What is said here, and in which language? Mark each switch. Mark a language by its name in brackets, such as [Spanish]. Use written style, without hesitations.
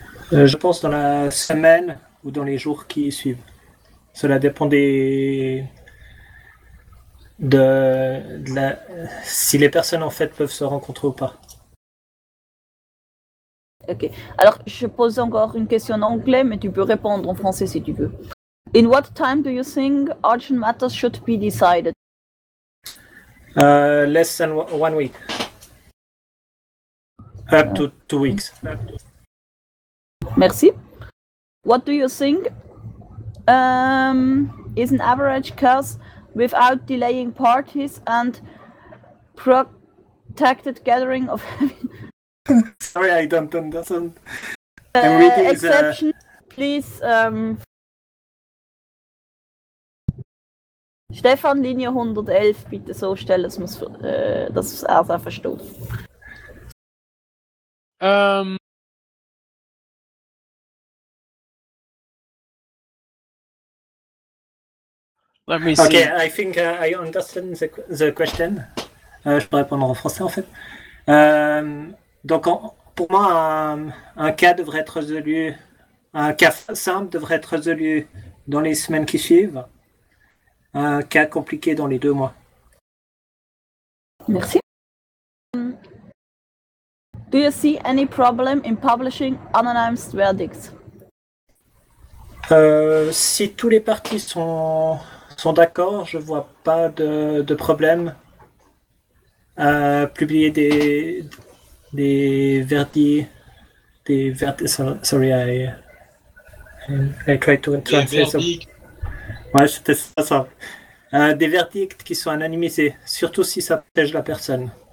[French] Je pense dans la semaine ou dans les jours qui suivent. Cela dépend si les personnes en fait peuvent se rencontrer ou pas. Ok. Alors, je pose encore une question en anglais, mais tu peux répondre en français si tu veux. [English] In what time do you think urgent matters should be decided? Less than 1 week. Up to 2 weeks. [French] Merci. [English] What do you think is an average cost without delaying parties and protected gathering of... Sorry, I don't understand. I'm reading exception, please... [German] Stefan, Linie 111, bitte so stellen, dass es auch so versteht. [English] Let me see. Okay, I think I understand the question. [French] Je peux répondre en français, en fait. Pour moi, un cas simple devrait être résolu dans les semaines qui suivent. Un cas compliqué dans les 2 mois. Merci. [English] Do you see any problem in publishing anonymous verdicts? [French] Si tous les parties sont d'accord, je vois pas de problème à publier des verdicts. [English] Sorry, I tried to translate. [French] Ouais, c'était ça. Des verdicts qui sont anonymisés, surtout si ça protège la personne.